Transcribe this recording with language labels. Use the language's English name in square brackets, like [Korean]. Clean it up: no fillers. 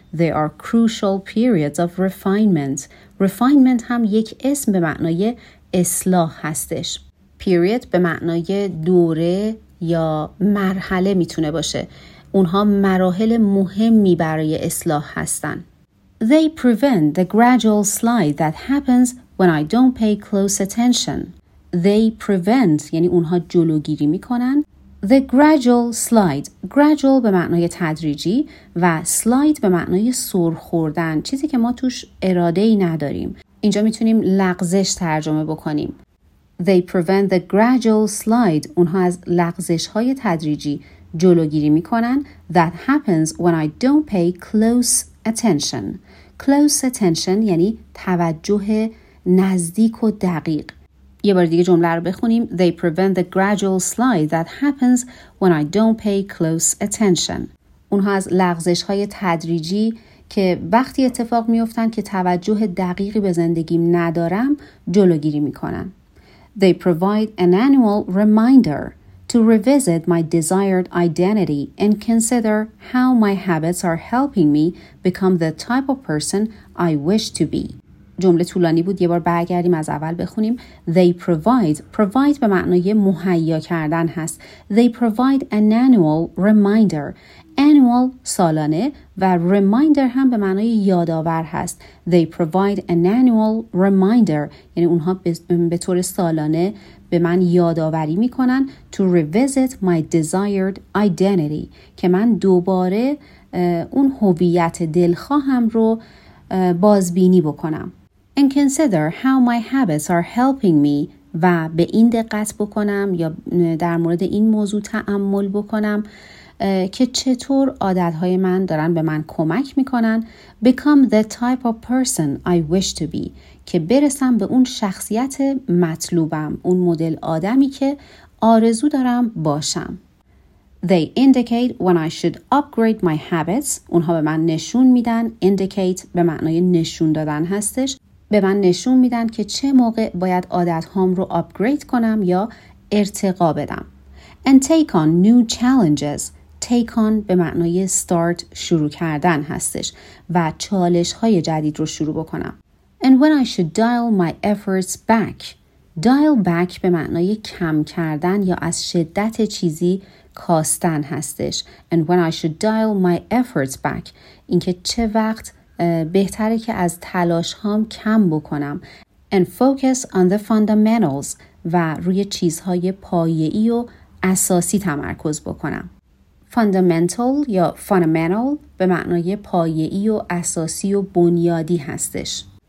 [English] They are crucial periods of refinement. [Persian] Refinement هم یک اسم به معنای اصلاح هستش. Period به معنای دوره یا مرحله میتونه باشه. اونها مراحل مهمی برای اصلاح هستن. [English] They prevent the gradual slide that happens when I don't pay close attention. They prevent [Persian] یعنی اونها جلوگیری میکنن. [English] The gradual slide. [Persian] Gradual به معنای تدریجی و slide به معنای سرخوردن. چیزی که ما توش اراده‌ای نداریم. اینجا میتونیم لغزش ترجمه بکنیم. [English] They prevent the gradual slide. [Persian] اونها از لغزش‌های تدریجی جلوگیری میکنن. [English] That happens when I don't pay close attention. [Persian] Close attention یعنی توجه نزدیک و دقیق. یه بار دیگه جمله رو بخونیم. [English] They prevent the gradual slide that happens when I don't pay close attention. [Persian] اونها از لغزش‌های تدریجی که وقتی اتفاق می‌افتن که توجه دقیقی به زندگیم ندارم جلوگیری می‌کنن. [English] They provide an annual reminder to revisit my desired identity and consider how my habits are helping me become the type of person I wish to be. [Persian] جمله طولانی بود، یه بار برگردیم از اول بخونیم. [English] They provide [Persian] به معنای مهیا کردن هست. [English] They provide an annual reminder. [Persian] Annual سالانه و reminder هم به معنای یادآور هست. [English] They provide an annual reminder. [Persian] یعنی اونها به طور سالانه به من یادآوری میکنن. [English] To revisit my desired identity. [Persian] که من دوباره اون هویت دلخواهم رو بازبینی بکنم. [English] And consider how my habits are helping me. [Persian] و به این دقت بکنم یا در مورد این موضوع تأمل بکنم که چطور عادت‌های من دارن به من کمک می‌کنن. [English] Become the type of person I wish to be. [Persian] که برسم به اون شخصیت مطلوبم، اون مدل آدمی که آرزو دارم باشم. [English] They indicate when I should upgrade my habits. [Persian] اونها به من نشون میدن. Indicate به معنای نشون دادن هستش. به من نشون میدن که چه موقع باید عادت‌هام رو آپگرید کنم یا ارتقا بدم. [English] And take on new challenges. [Persian] Take on به معنای start، شروع کردن هستش، و چالش‌های جدید رو شروع بکنم. [English] And when I should dial my efforts back. [Persian] Dial back به معنای کم کردن یا از شدت چیزی کاستن هستش. [English] And when I should dial my efforts back. [Persian] اینکه چه وقت بهتره که از تلاش‌هام کم بکنم. [English] And focus on the fundamentals. [Persian] و روی چیزهای پایه‌ای و اساسی تمرکز بکنم. Fundamental یا fundamental به معنای پایه‌ای و اساسی و بنیادی هستش.